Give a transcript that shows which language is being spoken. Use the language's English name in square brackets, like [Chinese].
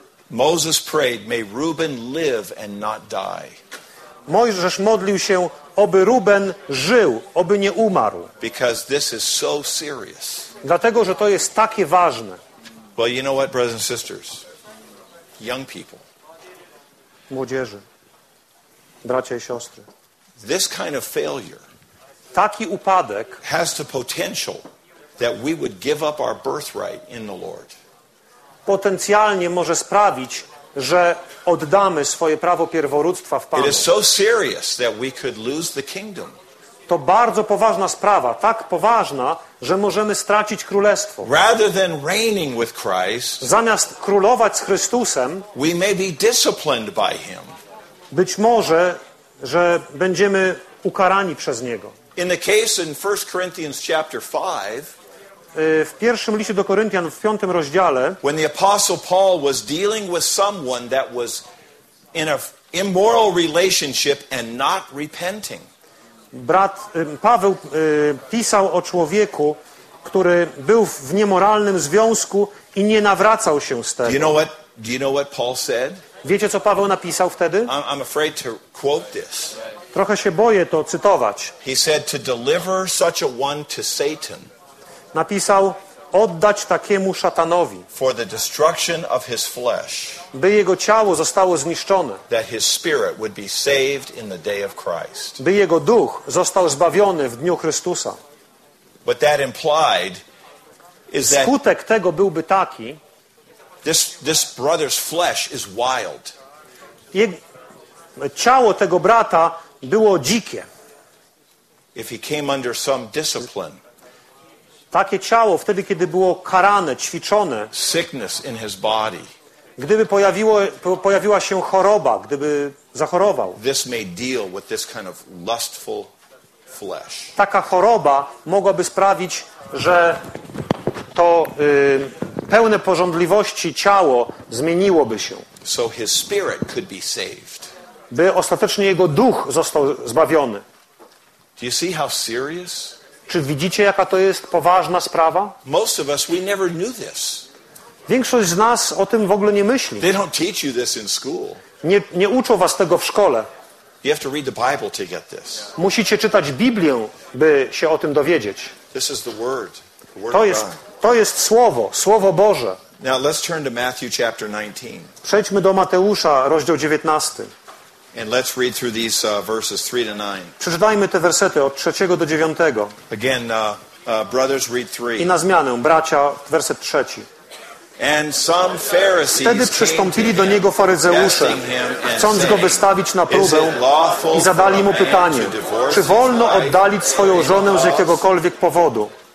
[English] Moses prayed, may Reuben live and not die. [Polish] Mojżesz modlił się, oby Ruben żył, oby nie umarł. [English] Because this is so serious. [Polish] Dlatego, że to jest takie ważne. [English] Well, you know what, brothers and sisters, young people, [Polish] młodzieży, bracia i siostry. [English] This kind of failure [Polish] taki upadek [English] has the potential that we would give up our birthright in the Lord. [Polish] Potencjalnie może sprawić, że oddamy swoje prawo pierworództwa w Panu. [English] It is so serious that we could lose the kingdom. [Polish] To bardzo poważna sprawa, tak poważna, że możemy stracić królestwo. [English] Rather than reigning with Christ, [Polish] zamiast królować z Chrystusem, [English] we may be disciplined by him. [Polish] Być może, że będziemy ukarani przez niego. [English] In the case in 1 Corinthians chapter 5, [Polish] w pierwszym liście do Koryntian w 5 rozdziale, [English] when the apostle Paul was dealing with someone that was in an immoral relationship and not repenting. [Polish] Brat Paweł pisał o człowieku, który był w niemoralnym związku i nie nawracał się z tego. [English] Do you know what Paul said? [Polish] Wiecie, co Paweł napisał wtedy? [English] I'm afraid to quote this. [Polish] Trochę się boję to cytować. [English] He said to deliver such a one to Satan. [Polish] Napisał, oddać takiemu szatanowi, [English] for the destruction of his flesh, [Polish] by jego ciało zostało zniszczone, [English] that his spirit would be saved in the day of Christ, [Polish] by jego duch został zbawiony w dniu Chrystusa. [English] But that implied is that [Polish] skutek tego byłby taki, [English] this brother's flesh is wild. [Polish] Ciało tego brata było dzikie. [English] If he came under some discipline, [Polish] takie ciało, wtedy, kiedy było karane, ćwiczone, [English] sickness in his body, [Polish] gdyby pojawiła się choroba, gdyby zachorował, [English] this may deal with this kind of lustful flesh. [Polish] Taka choroba mogłaby sprawić, że to pełne pożądliwości ciało zmieniłoby się. [English] So his spirit could be saved. [Polish] By ostatecznie jego duch został zbawiony. [English] Do you see how serious? [Polish] Czy widzicie, jaka to jest poważna sprawa? [English] Most of us, we never knew this. [Polish] Większość z nas o tym w ogóle nie myśli. [English] They don't teach you this in school. [Polish] Nie uczą was tego w szkole. [English] You have to read the Bible to get this. [Polish] Musicie czytać Biblię, by się o tym dowiedzieć. [English] This is the word, the word [Polish] to jest [English] of God. [Polish] To jest Słowo, Słowo Boże. [English] Now let's turn to Matthew chapter 19. [Polish] Przejdźmy do Mateusza, rozdział 19. [English] And let's read through these verses 3 to 9. [Polish] Przeczytajmy te wersety od 3 do 9. [English] Again, brothers read 3. [Polish] I na zmianę, bracia, werset 3. [English] And some Pharisees [Polish] wtedy przystąpili do niego faryzeusze, chcąc go wystawić na próbę i zadali mu pytanie, czy wolno oddalić swoją żonę z jakiegokolwiek powodu?